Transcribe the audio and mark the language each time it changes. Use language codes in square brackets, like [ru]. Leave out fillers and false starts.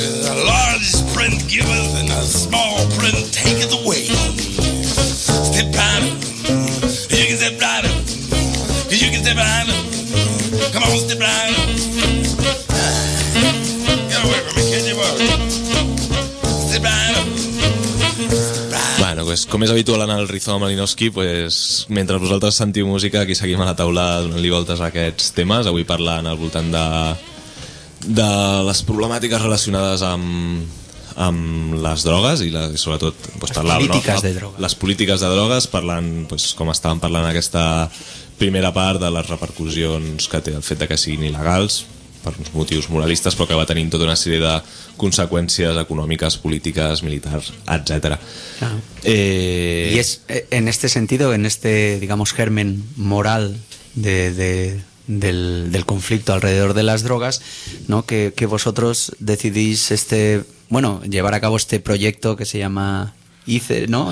[en] A large print giver and a small print taker away. Step right up. You can step right up. You can step right up. Come on, step right up. Get away from me, can you work? Step right up. [ca] Pues, com és habitual anar al Rizoma Malinowski, pues, mentre vosaltres sentiu música, aquí seguim a la taula donant-li voltes a aquests temes, avui parlant al voltant de les problemàtiques relacionades amb les drogues i sobretot pues, parlar, les polítiques de drogues, parlant pues, com estàvem parlant aquesta primera part de les repercussions que té el fet de que siguin il·legals per uns motius moralistes, però que va tenint tota una sèrie de conseqüències econòmiques, polítiques, militars, etc. Ah. [es] Y es en este sentido, en este, digamos, germen moral del conflicto alrededor de las drogas, ¿no? Que vosotros decidís este, bueno, llevar a cabo este proyecto que se llama ICER, ¿no?